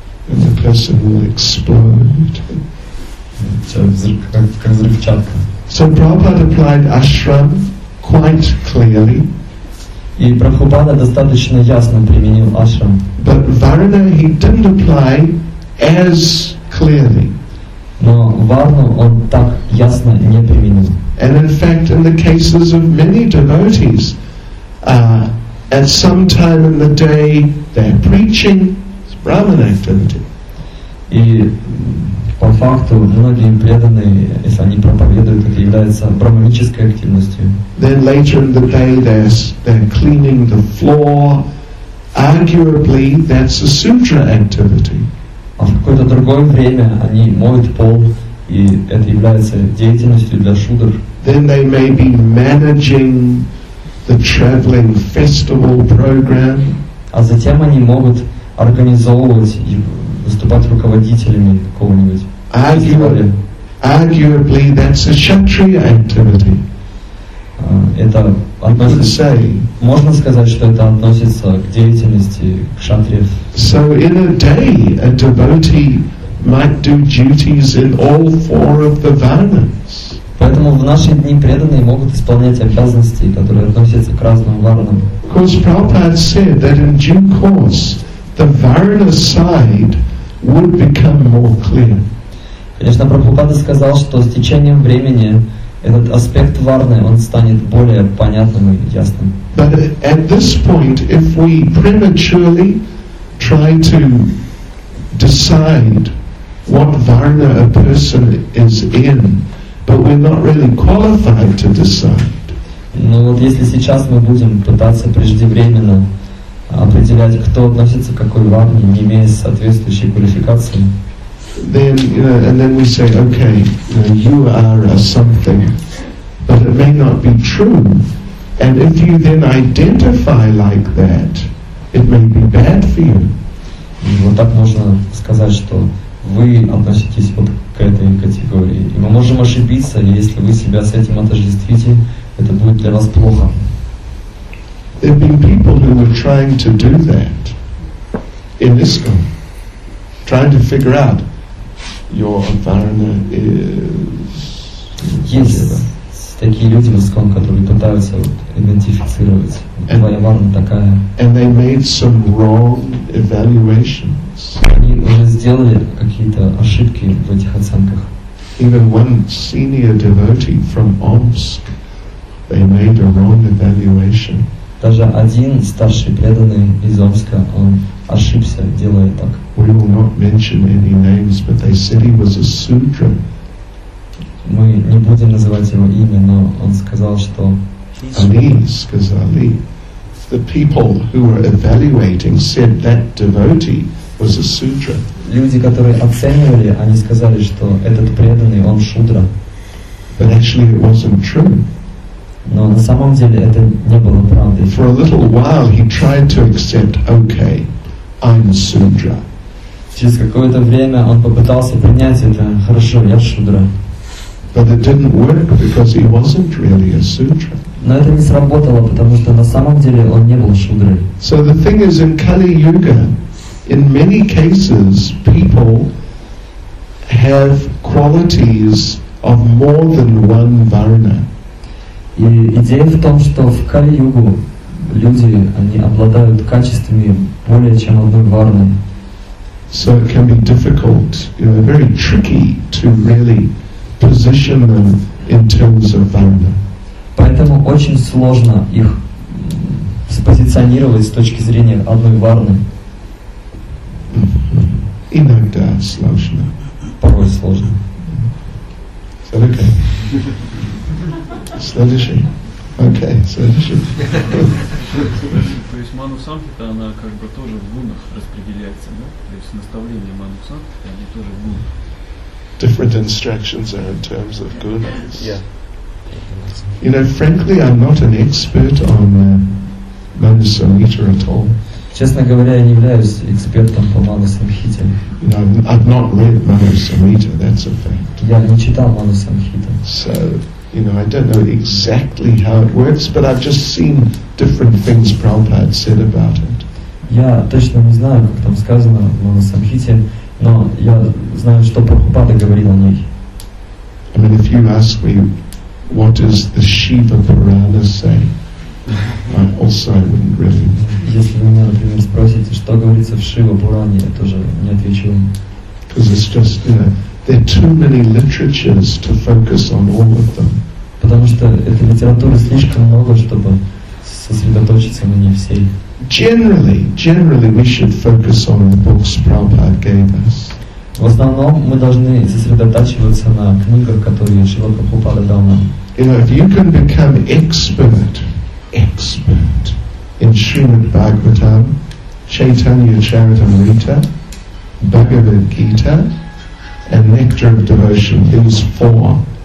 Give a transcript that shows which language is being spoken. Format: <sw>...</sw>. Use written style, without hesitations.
<en>And the person will explode. So Prabhupada applied ashram quite clearly.</en> <ru>И Прабхупада достаточно ясно применил ашрам.</ru> <en>But Varna he didn't apply as clearly.</en> <ru>Но Варну он так ясно не применил.</ru> <en>And in fact, in the cases of many devotees, at some time in the day they're preaching, it's Brahman activity.</en> <ru>И по факту, многие преданные, если они проповедуют, это является брахманической активностью.</ru> <en>Then later in the day they're cleaning the floor. Arguably, that's a sutra activity.</en> <ru>А в какое-то другое время они моют пол, и это является деятельностью для шудр.</ru> <en>Then they may be managing the traveling festival program.</en> <ru>А затем они могут организовывать и выступать руководителями какого-нибудь.</ru> <en>Arguably, that's a kshatriya activity.</en> <ru>Это относится. Можно сказать, что это относится к деятельности кшатриев.</ru> <en>So in a day, a devotee might do duties in all four of the varnas.</en> <ru>Поэтому в наши дни преданные могут исполнять обязанности, которые относятся к разным варнам.</ru> <en>Because Prabhupada said that in due course, the varna side would become more clear.</en> <ru>Конечно, Прабхупада сказал, что с течением времени этот аспект варны, он станет более понятным и ясным.</ru> <en>But at this point, if we prematurely try to decide what varna a person is in, but we're not really qualified to decide.</en> <ru>Ну вот если сейчас мы будем пытаться преждевременно определять, кто относится к какой варне, не имея соответствующей квалификации.</ru> <en>Then and then we say, okay, you are a something, but it may not be true. And if you then identify like that, it may be bad for you.</en> <ru>Вот так можно сказать, что вы относитесь вот к этой категории. И мы можем ошибиться, если вы себя с этим отождествите, это будет для вас плохо.</ru> <en>There have been people who were trying to do that in ISKCON, trying to figure out your varna is. Yes.</en> <ru>Такие люди в ИСККОН, которые пытаются вот, идентифицировать, and, твоя варна такая.</ru> <en>And they made some wrong evaluations.</en> <ru>Они уже сделали какие-то ошибки в этих оценках.</ru> <en>Even one senior devotee from Omsk, they made a wrong evaluation.</en> <ru>Даже один старший преданный из Омска, он ошибся, делая так.</ru> <en>We will not mention any names, but they said he was a sudra.</en> <ru>Мы не будем называть его имя, но он сказал, что они сказали,</ru> <en>the people who were evaluating said that devotee was a sudra.</en> <ru>Люди, которые оценивали, они сказали, что этот преданный, он шудра.</ru> <en>But actually it wasn't true.</en> <ru>Но на самом деле это не было правдой.</ru> <en>For a little while he tried to accept, okay, I'm a sudra.</en> <ru>Через какое-то время он попытался принять это, хорошо, я шудра.</ru> <en>But it didn't work because he wasn't really a sudra.</en> <ru>Но это не сработало, потому что на самом деле он не был шудрой.</ru> <en>So the thing is, in Kali Yuga, in many cases, people have qualities of more than one varna.</en> <ru>И идея в том, что в Кали Югу люди они обладают качествами более чем одной варны.</ru> <en>So it can be difficult, you know, very tricky to really position them in terms of varna.</en> <ru>Поэтому очень сложно их спозиционировать с точки зрения одной варны. Иногда сложно. Порой сложно. Okay. Следующий. Окей, следующий. То есть ману самхита, она как бы тоже в гунах распределяется, да? То есть наставления ману самхита, они тоже в гунах.</ru> <en>Different instructions are in terms of gunas. Yeah. You know, frankly, I'm not an expert on Manu Samhita at all.</en> <ru>Честно говоря, я не являюсь экспертом по Ману Самхите.</ru> <en>You know, I've not read Manu Samhita. That's a fact.</en> <ru>Я не читал Ману Самхита.</ru> <en>So, you know, I don't know exactly how it works, but I've just seen different things Prabhupada said about it.</en> <ru>Я точно не знаю, как там сказано в Ману Самхите. Но я знаю, что Прабхупада говорил о ней.</ru> <en>I mean, if you ask me, what does the Shiva Purana say? I also wouldn't really know.</en> <ru>Если вы меня, например, спросите, что говорится в Шива Пуране, я тоже не отвечу.</ru> <en>Because it's just, you know, there are too many literatures to focus on all of them.</en> <ru>Потому что этой литературы слишком много, чтобы сосредоточиться на ней всей.</ru> <en>Generally, we should focus on the books Prabhupada gave us.</en> <ru>В основном мы должны сосредотачиваться на книгах, которые Шрила Прабхупада дал нам.</ru> <en>You know, if you can become expert in Srimad Bhagavatam, Chaitanya Charitamrita, Bhagavad Gita, and Nectar of Devotion, these four.</en>